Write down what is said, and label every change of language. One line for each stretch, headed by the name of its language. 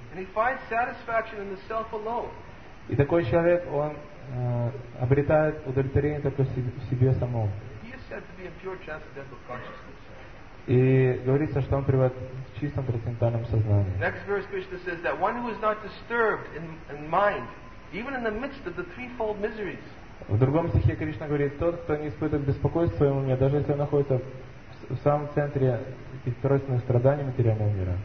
English: And he finds satisfaction in the self alone.
Russian: И такой человек, он обретает удовлетворение только в себе самом.
English: He is said to be in pure transcendental consciousness.
Russian: И говорится, что он пребывает в чистом трансцендентальном сознании.
English: Next verse, Krishna says that one who is not disturbed in mind, even in the midst of the threefold miseries.
Russian: В другом стихе Кришна говорит, тот, кто не испытывает беспокойство в своем уме, даже если он находится в самом центре тройственных страданий материального мира.